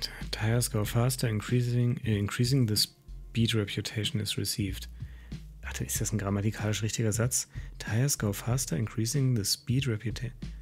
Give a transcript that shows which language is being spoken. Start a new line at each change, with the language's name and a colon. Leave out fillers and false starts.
English: Tires go faster, increasing the speed reputation is received.
German: Warte, ist das ein grammatikalisch richtiger Satz?
English: Tires go faster, increasing the speed reputation.